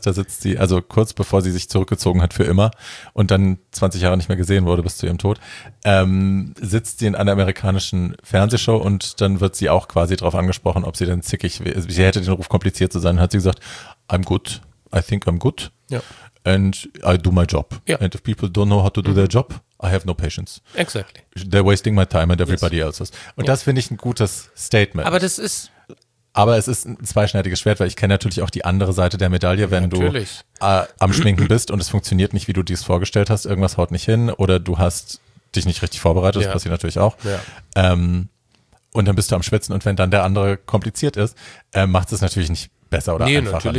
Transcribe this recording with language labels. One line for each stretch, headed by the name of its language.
German: Da sitzt sie, also kurz bevor sie sich zurückgezogen hat für immer und dann 20 Jahre nicht mehr gesehen wurde bis zu ihrem Tod, sitzt sie in einer amerikanischen Fernsehshow und dann wird sie auch quasi darauf angesprochen, ob sie denn zickig, sie hätte den Ruf kompliziert zu sein, hat sie gesagt,
English: I'm good. I think I'm good.
German: Ja.
English: And I do my job.
German: Ja.
English: And if people don't know how to do their job, I have no patience. Exactly. They're wasting my time and everybody else's.
German: Und das finde ich ein gutes Statement. Aber das ist... Aber es ist ein zweischneidiges Schwert, weil ich kenne natürlich auch die andere Seite der Medaille, wenn du am Schminken bist und es funktioniert nicht, wie du dir es vorgestellt hast, irgendwas haut nicht hin oder du hast dich nicht richtig vorbereitet, das passiert natürlich auch. Ja. Und dann bist du am Schwitzen und wenn dann der andere kompliziert ist, macht es natürlich nicht besser oder einfacher.